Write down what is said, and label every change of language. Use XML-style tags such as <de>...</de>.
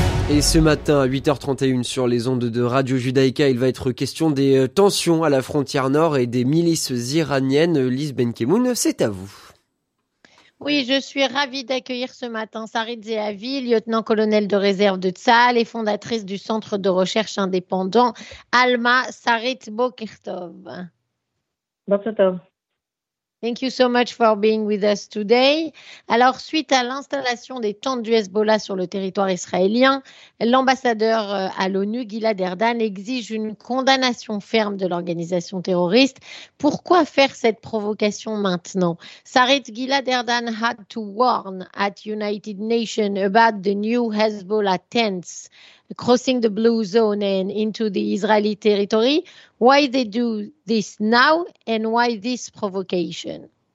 <fr>Et ce matin, à 8h31 sur les ondes de Radio Judaïka, il va être question des tensions à la frontière nord et des milices iraniennes. Lise Benkemoun, c'est à vous. Oui, je suis ravie d'accueillir ce matin Sarit Zehavi, lieutenant-colonel de réserve de Tsahal et fondatrice du centre de recherche indépendant Alma.</fr> <he>Sarit Bokertov. Bokertov.</he> <en>Thank you so much for being with us today.</en> <fr>Alors, suite à l'installation des tentes du Hezbollah sur le territoire israélien, l'ambassadeur à l'ONU, Gilad Erdan, exige une condamnation ferme de l'organisation terroriste. Pourquoi faire cette provocation maintenant?</fr> <en>Sarit, Gilad Erdan had to warn at United Nations about the new Hezbollah tents crossing the blue zone and into the Israeli territory. Why they do this now and why this provocation?</en>